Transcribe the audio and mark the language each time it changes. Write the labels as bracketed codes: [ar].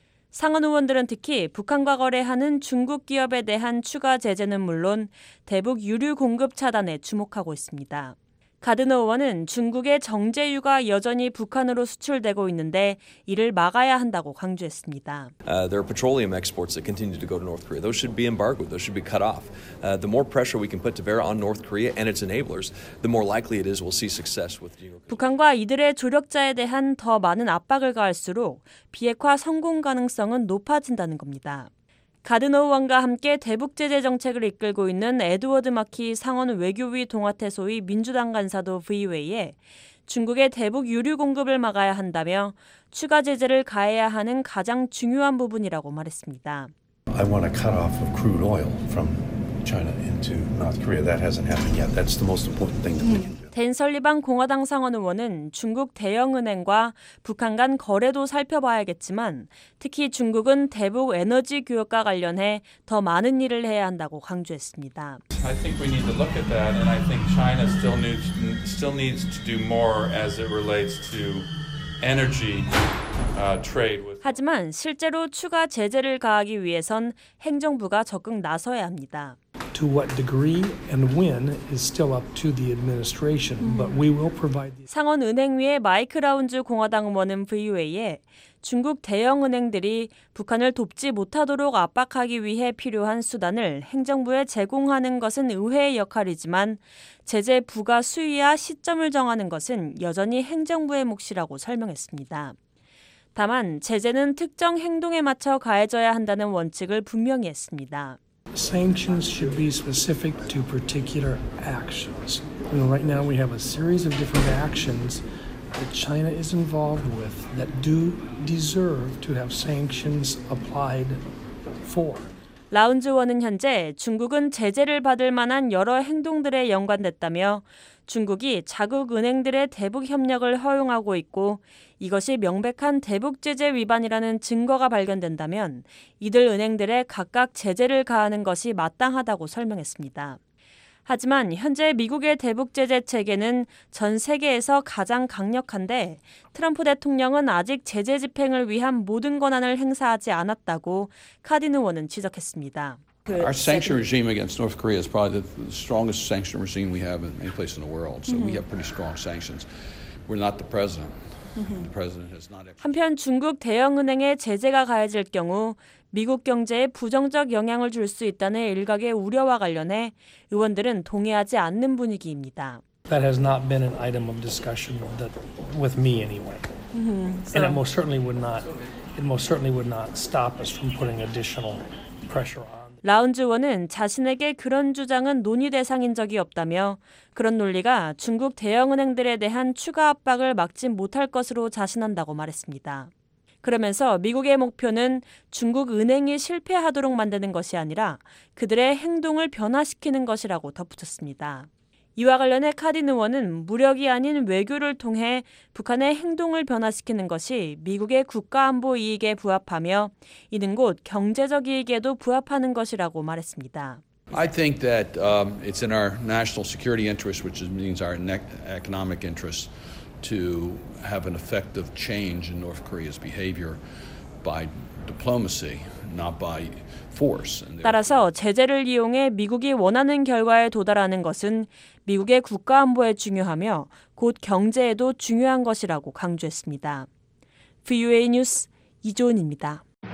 [ko] 상원 의원들은 특히 북한과 거래하는 중국 기업에 대한 추가 제재는 물론 대북 유류 공급 차단에 주목하고 있습니다. 가드너 의원은 중국의 정제유가 여전히 북한으로 수출되고 있는데 이를 막아야 한다고 강조했습니다. [en] There are petroleum exports that continue to go to North Korea. Those should be embargoed. Those should be cut off. The more pressure we can put to bear on North Korea and its enablers, the more likely it is we'll see success with the. [ko] 북한과 이들의 조력자에 대한 더 많은 압박을 가할수록 비핵화 성공 가능성은 높아진다는 겁니다. 가드너 의원과 함께 대북 제재 정책을 이끌고 있는 에드워드 마키 상원 외교위 동아태 소위 민주당 간사도 VOA에 중국의 대북 유류 공급을 막아야 한다며 추가 제재를 가해야 하는 가장 중요한 부분이라고 말했습니다. [en] I want a cut off of crude oil from China into North Korea. That hasn't happened yet. That's the most important thing that we can do. [ko] 댄 설리반 공화당 상원 의원은 중국 대형은행과 북한 간 거래도 살펴봐야겠지만 특히 중국은 대북 에너지 교역과 관련해 더 많은 일을 해야 한다고 강조했습니다. [en] I think we need to look at that and I think China still needs to do more as it relates to energy trade. [ko] 하지만 실제로 추가 제재를 가하기 위해선 행정부가 적극 나서야 합니다. [en] To what degree and when is still up to the administration, but we will provide. [ko] 상원 은행위의 마이크 라운즈 공화당 의원은 VOA에 중국 대형 은행들이 북한을 돕지 못하도록 압박하기 위해 필요한 수단을 행정부에 제공하는 것은 의회의 역할이지만 제재 부과 수위와 시점을 정하는 것은 여전히 행정부의 몫이라고 설명했습니다. 다만 제재는 특정 행동에 맞춰 가해져야 한다는 원칙을 분명히 했습니다. [en] Sanctions should be specific to particular actions. You know, right now we have a series of different actions that China is involved with that do deserve to have sanctions applied for. [ko] 라운즈 의원은 현재 중국은 제재를 받을 만한 여러 행동들에 연관됐다며 중국이 자국 은행들의 대북 협력을 허용하고 있고 이것이 명백한 대북 제재 위반이라는 증거가 발견된다면 이들 은행들에 각각 제재를 가하는 것이 마땅하다고 설명했습니다. 하지만 현재 미국의 대북 제재 체계는 전 세계에서 가장 강력한데 트럼프 대통령은 아직 제재 집행을 위한 모든 권한을 행사하지 않았다고 카딘 의원은 지적했습니다. [en] Our sanction regime against North Korea is probably the strongest sanction regime we have in any place in the world. So we have pretty strong sanctions. We're not the president. The president has not. [ko] 한편 중국 대형 은행에 제재가 가해질 경우 미국 경제에 부정적 영향을 줄 수 있다는 일각의 우려와 관련해 의원들은 동의하지 않는 분위기입니다. [en] That has not been an item of discussion with me anyway. And it most certainly would not stop us from putting additional pressure on. [ko] 라운즈 의원은 자신에게 그런 주장은 논의 대상인 적이 없다며 그런 논리가 중국 대형은행들에 대한 추가 압박을 막지 못할 것으로 자신한다고 말했습니다. 그러면서 미국의 목표는 중국 은행이 실패하도록 만드는 것이 아니라 그들의 행동을 변화시키는 것이라고 덧붙였습니다. 이와 관련해 카딘 의원은 무력이 아닌 외교를 통해 북한의 행동을 변화시키는 것이 미국의 국가안보 이익에 부합하며 이는 곧 경제적 이익에도 부합하는 것이라고 말했습니다. [en] I think that it's in our national security interest, which means our economic interest, to have an effective change in North Korea's behavior by diplomacy, not by [ko] 따라서 제재를 이용해 미국이 원하는 결과에 도달하는 것은 미국의 국가안보에 중요하며 곧 경제에도 중요한 것이라고 강조했습니다. VOA 뉴스 이조은입니다.